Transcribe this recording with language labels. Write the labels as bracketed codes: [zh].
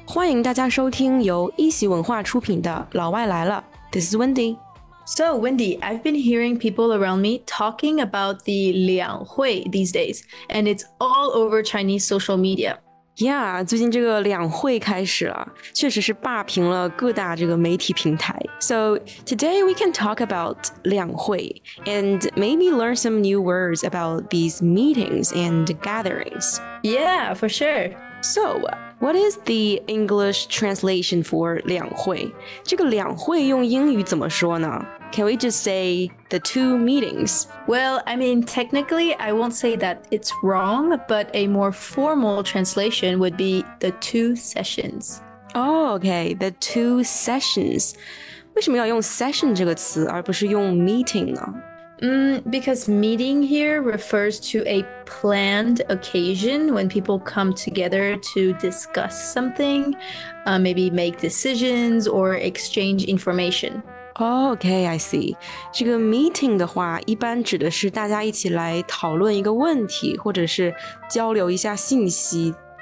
[zh] 欢迎大家收听由一席文化出品的《老外来了》。 [en] This is Wendy. So, Wendy, I've been hearing people around me talking about the Liang Hui these days, and it's all over Chinese social media. Yeah, [zh] 最近这个两会开始了，确实是霸屏了各大这个媒体平台。 [en] So, today we can talk about Liang Hui, and maybe learn some new words about these meetings and gatherings. Yeah, for sure. So,What is the English translation for 两会？ [zh] 这个两会用英语怎么说呢？ [en] Can we just say the two meetings? Well, I mean, technically, I won't say that it's wrong, but a more formal translation would be the two sessions. Oh, okay, the two sessions. [zh] 为什么要用 session 这个词而不是用 meeting 呢？ [en] Because meeting here refers to a planned occasion when people come together to discuss something, maybe make decisions or exchange information. Oh, okay, I see. [zh] 这个 meeting 的话一般指的是大家一起来讨论一个问题或者是交流一下信息。